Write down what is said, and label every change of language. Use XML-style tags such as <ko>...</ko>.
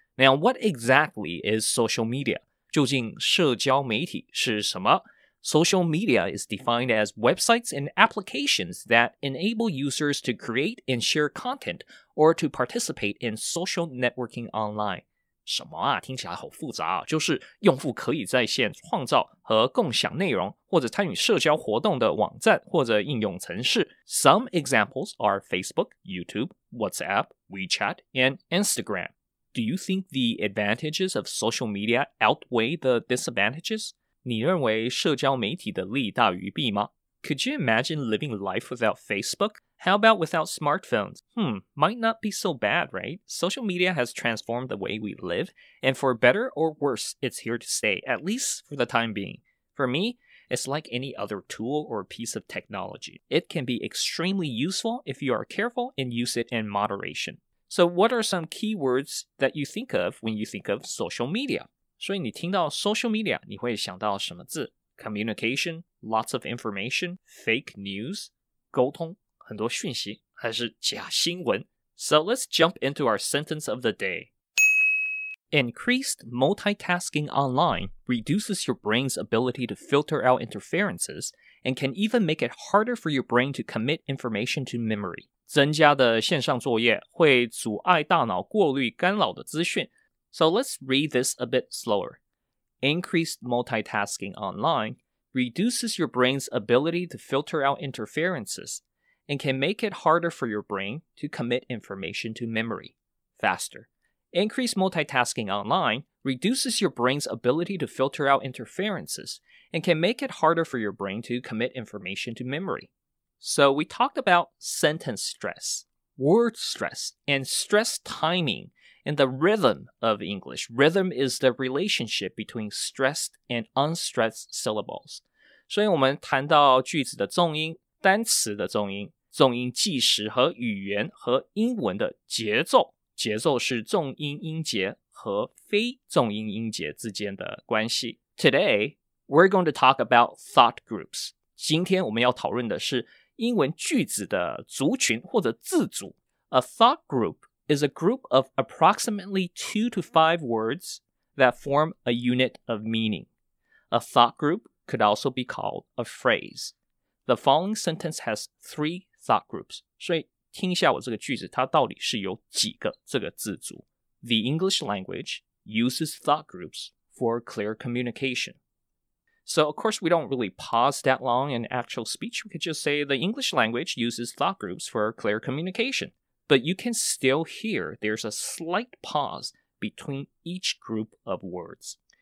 <en>Now, what exactly is social media?</en> <zh>究竟社交媒体是什么?</zh> <en>Social media is defined as websites and applications that enable users to create and share content or to participate in social networking online.</en> <zh>什么啊？听起来好复杂啊！就是用户可以在线创造和共享内容，或者参与社交活动的网站或者应用程式。</zh> <en>Some examples are Facebook, YouTube, WhatsApp, WeChat, and Instagram. Do you think the advantages of social media outweigh the disadvantages?</en> <zh>你认为社交媒体的利大于弊吗？</zh> <en>Could you imagine living life without Facebook? How about without smartphones? Might not be so bad, right? Social media has transformed the way we live, and for better or worse, it's here to stay, at least for the time being. For me, it's like any other tool or piece of technology. It can be extremely useful if you are careful and use it in moderation. So what are some key words that you think of when you think of social media?</en> <zh>所以你听到 social media, 你会想到什么字?</zh> <en>Communication, lots of information, fake news,</en> <zh>沟通,很多讯息,还是假新闻。</zh> <en>So let's jump into our sentence of the day. Increased multitasking online reduces your brain's ability to filter out interferences and can even make it harder for your brain to commit information to memory.</en> <zh>增加的线上作业会阻碍大脑过滤干扰的资讯。</zh> <en>So let's read this a bit slower. Increased multitasking online reduces your brain's ability to filter out interferences and can make it harder for your brain to commit information to memory faster. Increased multitasking online reduces your brain's ability to filter out interferences and can make it harder for your brain to commit information to memory. So we talked about sentence stress, word stress, and stress timing. And the rhythm of English. Rhythm is the relationship between stressed and unstressed syllables.</en> <zh>所以我们谈到句子的重音、单词的重音、重音计时和语言和英文的节奏。节奏是重音音节和非重音音节之间的关系。</zh> <en>Today, we're going to talk about thought groups.</en> <zh>今天我们要讨论的是英文句子的族群或者字组。</zh> <en>A thought groupis a group of approximately 2 to 5 words that form a unit of meaning. A thought group could also be called a phrase. The following sentence has 3 thought groups.</en> <zh>所以听一下我这个句子它到底是有几个这个字组。</zh> <en>The English language uses thought groups for clear communication. So, of course, we don't really pause that long in actual speech. We could just say the English language uses thought groups for clear communication. But you can still hear there's a slight pause between each group of words.</en>